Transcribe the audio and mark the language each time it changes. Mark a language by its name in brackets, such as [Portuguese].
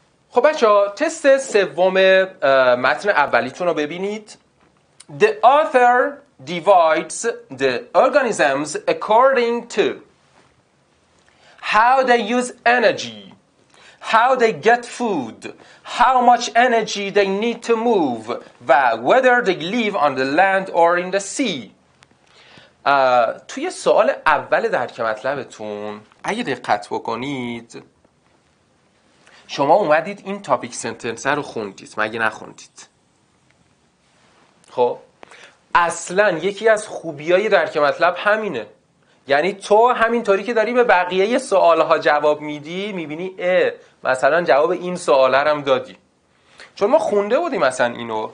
[Persian] خب بچه ها تست سوم متن اولیتون رو ببینید. [English] The author divides the organisms according to how they use energy, how they get food, how much energy they need to move, [Persian] و [English] whether they live on the land or in the sea. [Persian] توی سوال اول درک مطلبتون اگه دقت بکنید، شما اومدید این تاپیک سنتنس رو خوندید، مگه نخوندید؟ خب اصلا یکی از خوبیای درک مطلب همینه، یعنی تو همینطوری که داری به بقیه سوالها جواب میدی میبینی مثلا جواب این سوال هم دادی، چون ما خونده بودیم مثلا اینو.